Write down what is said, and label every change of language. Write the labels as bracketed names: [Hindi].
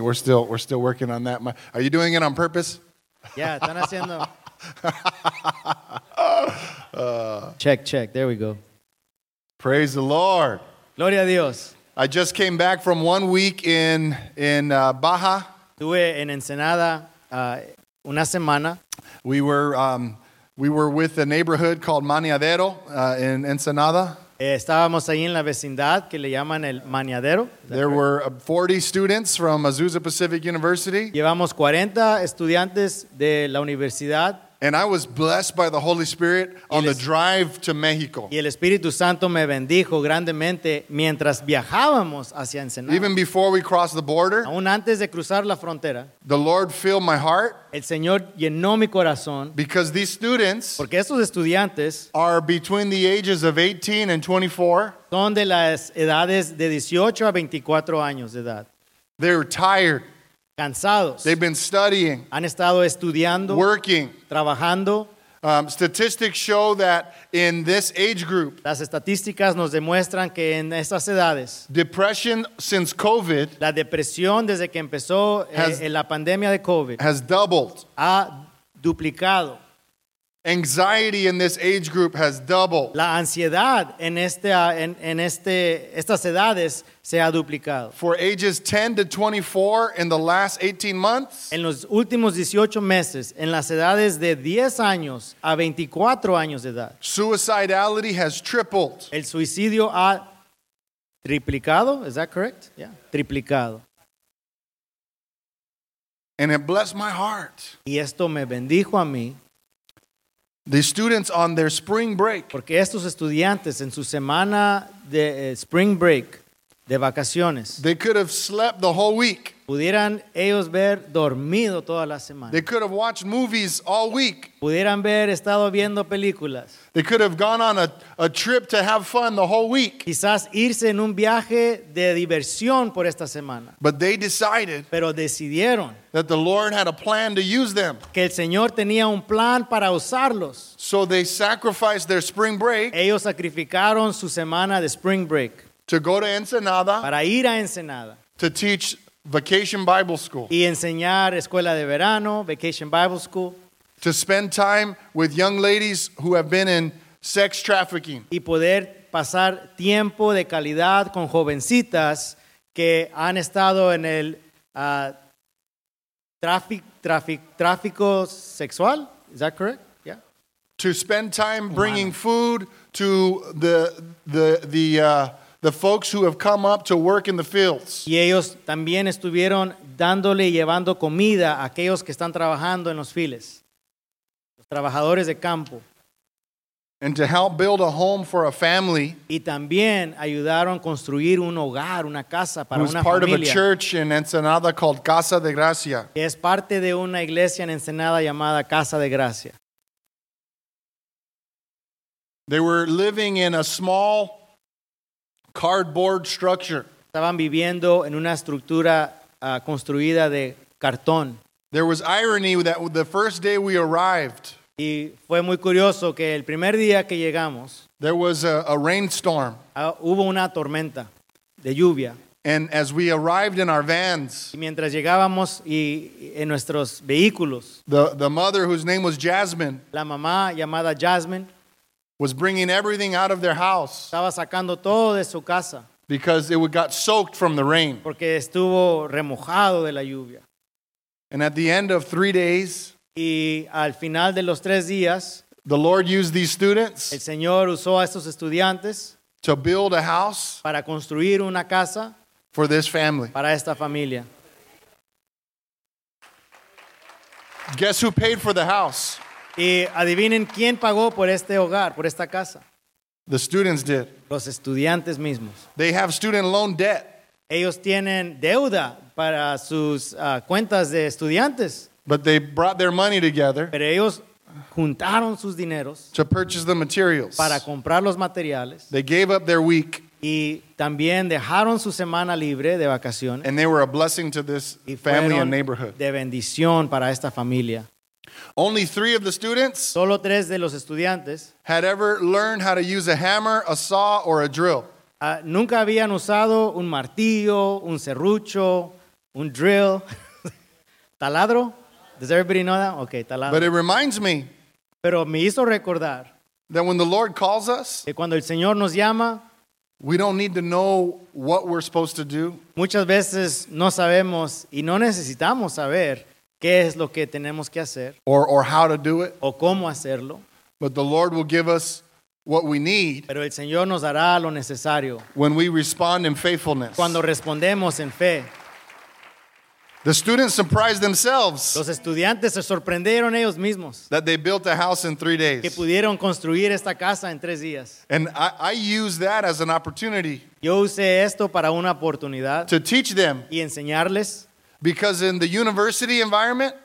[English] We're still working on that. Are you doing it on purpose? Yeah, [Spanish] están haciendo. [English] Check. There we go. Praise the Lord. [Spanish] Gloria a Dios. [English] I just came back from 1 week in Baja. [Spanish] Tuve en Ensenada una semana. [English] We were with a neighborhood called Maniadero in Ensenada. [Spanish] Estábamos ahí en la vecindad que le llaman el Maniadero. [English] There were 40 students from Azusa Pacific University. [Spanish] Llevamos 40 estudiantes de la universidad. [English] And I was blessed by the Holy Spirit on the drive to Mexico. [Spanish] Y el Espíritu Santo me bendijo grandemente mientras viajábamos hacia Ensenada. [English] Even before we crossed the border, [Spanish] aún antes de cruzar la frontera, [English] the Lord filled my heart. [Spanish] El Señor llenó mi corazón. [English] Because these students, [Spanish] porque estos estudiantes, [English] are between the ages of 18 and 24. [Spanish] Son de las edades de 18 a 24 años de edad. [English] They're tired. [Spanish] Cansados. [English] They've been studying. [Spanish] Han estado estudiando. [English] Working. [Spanish] Trabajando. [English] Statistics show that in this age group. [Spanish] Las estadísticas nos demuestran que en estas edades. [English] Depression since COVID. [Spanish] La depresión desde que empezó en la pandemia de COVID. [English] Has doubled. [Spanish] Ha duplicado. [English] Anxiety in this age group has doubled. [Spanish] La ansiedad en estas edades se ha duplicado. [English] For ages 10 to 24 in the last 18 months. [Spanish] En los últimos 18 meses, en las edades de 10 años a 24 años de edad. [English] Suicidality has tripled. [Spanish] El suicidio ha triplicado. [English] Is that correct? [Spanish] Yeah, triplicado. [English] And it blessed my heart. [Spanish] Y esto me bendijo a mí. [English] The students on their spring break. [Spanish] Porque estos estudiantes en su semana de spring break, de vacaciones. [English] They could have slept the whole week. [Spanish] Pudieran ellos ver dormido toda la semana. [English] They could have watched movies all week. [Spanish] Pudieran ver estado viendo películas. [English] They could have gone on a trip to have fun the whole week. [Spanish] Quizás irse en un viaje de diversión por esta semana. [English] But they decided. [Spanish] Pero decidieron. [English] That the Lord had a plan to use them. [Spanish] Que el Señor tenía un plan para usarlos. [English] So they sacrificed their spring break. [Spanish] Ellos sacrificaron su semana de spring break. [English] To go to Ensenada. [Spanish] Para ir a Ensenada. [English] To teach Vacation Bible School. [Spanish] Y enseñar escuela de verano, Vacation Bible School. [English] To spend time with young ladies who have been in sex trafficking. [Spanish] Y poder pasar tiempo de calidad con jovencitas que han estado en el tráfico sexual. [English] Is that correct? Yeah. To spend time bringing food to the folks who have come up to work in the fields. [Spanish] Y ellos también estuvieron dándole y llevando comida a aquellos que están trabajando en los fields. Los trabajadores de campo. [English] And to help build a home for a family. [Spanish] Y también ayudaron a construir un hogar, una casa para una familia. [English] Who's part of a church in Ensenada called Casa de Gracia. [Spanish] Que es parte de una iglesia en Ensenada llamada Casa de Gracia. [English] They were living in a small cardboard structure. [Spanish] Estaban viviendo en una estructura construida de cartón. [English] There was irony that the first day we arrived. [Spanish] Y fue muy curioso que el primer día que llegamos. [English] There was a rainstorm. [Spanish] Hubo una tormenta de lluvia. [English] And as we arrived in our vans. [Spanish] Y mientras llegábamos y en nuestros vehículos. [English] The mother, whose name was Jasmine. [Spanish] La mamá llamada Jasmine. [English] Was bringing everything out of their house. [Spanish] Estaba sacando todo de su casa. [English] Because it got soaked from the rain. [Spanish] Porque estuvo remojado de la lluvia. [English] And at the end of 3 days. [Spanish] Y al final de los tres días. [English] The Lord used these students. [Spanish] El Señor usó a estos estudiantes [English] to build a house [Spanish] para construir una casa [English] for this family. [Spanish] Para esta familia. [English] Guess who paid for the house? [Spanish] Y adivinen quién pagó por este hogar, por esta casa. [English] The students did. [Spanish] Los estudiantes mismos. [English] They have student loan debt. [Spanish] Ellos tienen deuda para sus cuentas de estudiantes. [English] But they brought their money together. [Spanish] Pero ellos juntaron sus dineros [English] to purchase the materials. [Spanish] Para comprar los materiales. [English] They gave up their week. [Spanish] Y también dejaron su semana libre de vacaciones. [English] And they were a blessing to this family and neighborhood. [Spanish] De bendición para esta familia. [English] Only three of the students [Spanish] solo tres de los estudiantes [English] had ever learned how to use a hammer, a saw, or a drill. [Spanish] Nunca habían usado un martillo, un serrucho, un drill. ¿Taladro? [English] Does everybody know that? [Spanish] Okay, taladro. [English] But it reminds me, [Spanish] pero me hizo recordar, [English] that when the Lord calls us, [Spanish] que cuando el Señor nos llama, [English] we don't need to know what we're supposed to do. [Spanish] Muchas veces no sabemos y no necesitamos saber qué es lo que tenemos que hacer. [English] Or how to do it. [Spanish] O cómo hacerlo. [English] But the Lord will give us what we need. [Spanish] Pero el Señor nos dará lo necesario. [English] When we respond in faithfulness. [Spanish] Cuando respondemos en fe. [English] The students surprised themselves. [Spanish] Los estudiantes se sorprendieron ellos mismos. [English] That they built a house in 3 days. [Spanish] Que pudieron construir esta casa en 3 días. [English] And I use that as an opportunity. [Spanish] Yo usé esto para una oportunidad. [English] To teach them. [Spanish] Y enseñarles. [English] Because in the university environment,